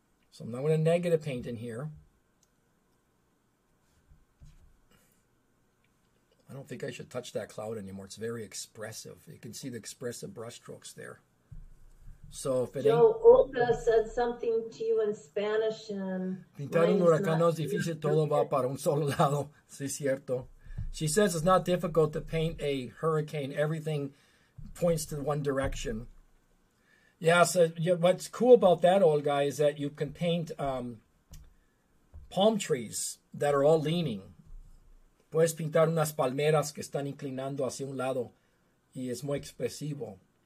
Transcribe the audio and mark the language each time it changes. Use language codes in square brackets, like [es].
[en] So I'm not going to negative paint in here. I don't think I should touch that cloud anymore. It's very expressive. You can see the expressive brush strokes there. So if it Joe Olga said something to you in Spanish and [es] pintar un huracán no es difícil todo va para un solo lado. Sí, cierto. [en] She says it's not difficult to paint a hurricane. Everything points to one direction. Yeah, so yeah, what's cool about that, Olga, is that you can paint palm trees that are all leaning. [es] Puedes pintar unas palmeras que están inclinando hacia un lado y es muy expresivo.